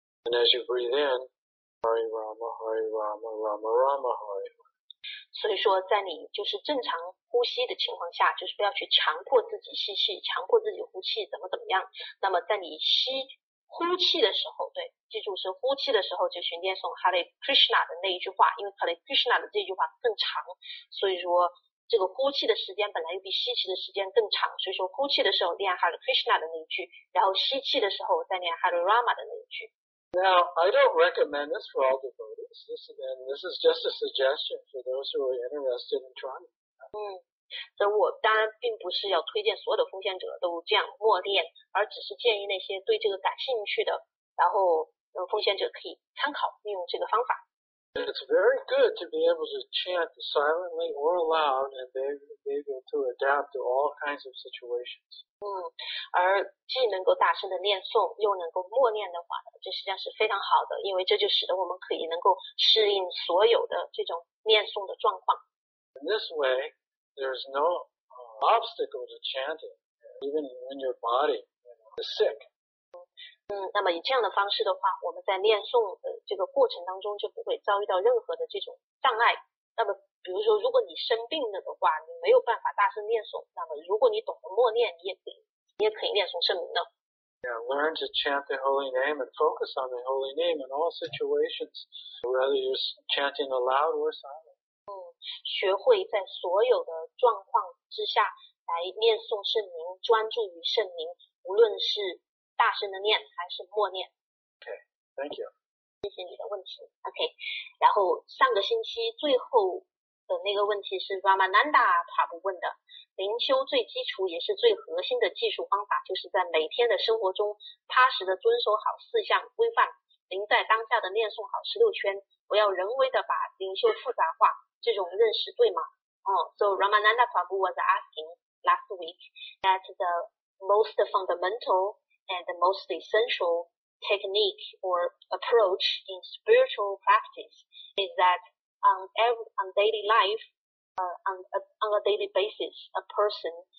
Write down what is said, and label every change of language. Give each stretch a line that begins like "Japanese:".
English: And as you breathe in, Hare Rama, Hare Rama, Rama Rama, Hare Hare.
Chinese: 所以说在你就是正常呼吸的情况下就是不要去强迫自己吸气强迫自己呼气怎么怎么样。那么在你吸呼气的时候对记住是呼气的时候就去念诵 Hare Krishna 的那一句话因为 Hare Krishna 的这句话更长。所以说这个呼气的时间本来又比吸气的时间更长，所以说呼气的时候念 Hare Krishna 的那一句，然后吸气的时候再念 Hare Rama 的那一句。
English: Now I don't recommend this for all devotees. This is just a suggestion for those who are interested in trying.
Chinese: 所以我当然并不是要推荐所有的奉献者都这样默念，而只是建议那些对这个感兴趣的，然后奉献者可以参考运用这个方法。
English: It's very good to be able to chant silently or loud and be able to adapt to all kinds of situations.
Chinese: 而既能够大声的念诵又能够默念的话，这实际上是非常好的，因为这就使得我们可以能够适应所有的这种念诵的状况。
English: In this way, there's no obstacle to chanting, even when your body is sick.
Chinese: 那么以这样的方式的话，我们在念诵的这个过程当中就不会遭遇到任何的这种障碍。那么比如说如果你生病了的话，你没有办法大声念诵，那么如果你懂得默念，你也可以念诵圣名的。
English: Yeah, learn to chant the holy name and focus on the holy name in all situations, whether you're chanting aloud or silent.
Chinese: 学会在所有的状况之下来念诵圣名，专注于圣名，无论是大声的念还是默念。
English: OK, thank you.
Chinese: 谢谢你的问题。 OK, 然后上个星期最后的那个问题是 Ramananda Prabhu 问的，灵修最基础也是最核心的技术方法，就是在每天的生活中踏实的遵守好四项规范，灵在当下的念诵好十六圈，不要人为的把灵修复杂化，这种认识对吗？
English: So Ramananda Prabhu was asking last week that the most fundamentaland the most essential technique or approach in spiritual practice is that on a daily basis, a person